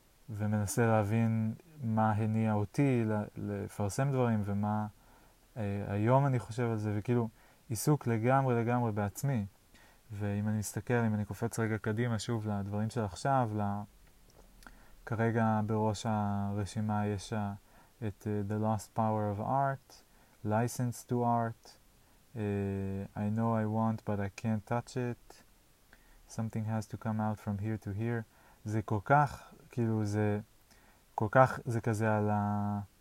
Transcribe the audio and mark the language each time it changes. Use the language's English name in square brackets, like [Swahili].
[Hebrew] ומנסה להבין מה הניע אותי לפרסם דברים, ומה היום אני חושב על זה, וכאילו עיסוק לגמרי לגמרי בעצמי. ואם אני מסתכל, אם אני קופץ רגע קדימה שוב לדברים של עכשיו, כרגע בראש הרשימה יש את The Lost Power of Art, License to Art, [English] I know I want, but I can't touch it. Something has to come out from here to here. [Hebrew] זה כל כך, כאילו, זה כל כך, זה כזה על ה...